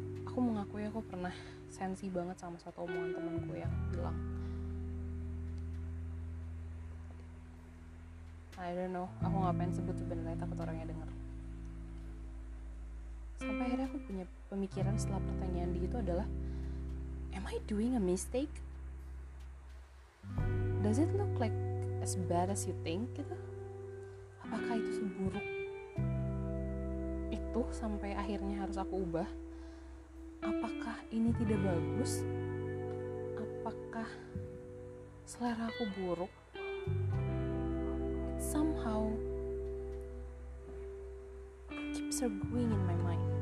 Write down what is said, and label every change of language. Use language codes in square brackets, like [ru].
[id] Aku mengakui aku pernah sensi banget sama satu omongan temanku yang bilang, [en] I don't know, [id] aku gak pengen sebut sebenarnya, takut orangnya denger. Sampai akhirnya aku punya pemikiran setelah pertanyaan dia itu adalah, [en] am I doing a mistake? Does it look like as bad as you think, gitu? [id] Apakah itu seburuk itu sampai akhirnya harus aku ubah? Apakah ini tidak bagus? Apakah selera aku buruk? [en] It somehow keeps her going in my mind.